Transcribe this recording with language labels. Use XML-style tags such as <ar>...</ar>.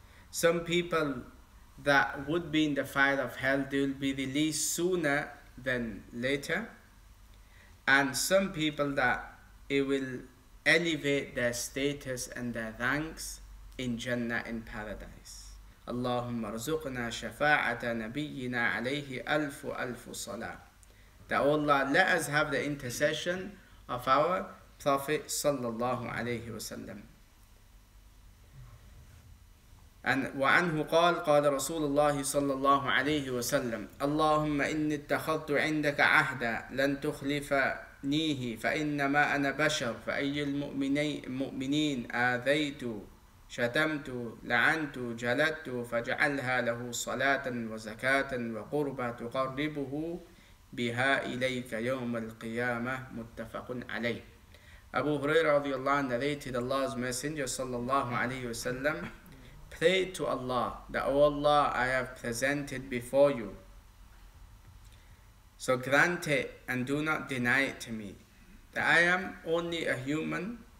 <en>Some people that would be in the fire of hell, they will be released sooner than later. And some people that it will elevate their status and their ranks in Jannah, in paradise.</en> <ar>اللهم ارزقنا شفاعة نبينا عليه ألف ألف صلاة.</ar> <en>That, oh Allah, let us have the intercession of our Prophet sallallahu alayhi wa sallam.</en> <ar>And وعنه قال قال رسول الله صلى الله عليه وسلم اللهم إني اتخذت عندك عهدا لن تخلفنيه فإنما أنا بشر فأي المؤمنين آذيت شتمت لعنت جلدت فاجعلها له صلاة وزكاة وقربة تقربه بها إليك يوم القيامة متفق عليه.</ar> <en>Abu Huraira</en> <ar>رضي الله عنه</ar> <en>narrated Allah's Messenger</en> <ar>صلى الله عليه وسلم</ar> <en>prayed to Allah that, O Allah, I have presented before you. So grant it and do not deny it to me, that I am only a human.</en>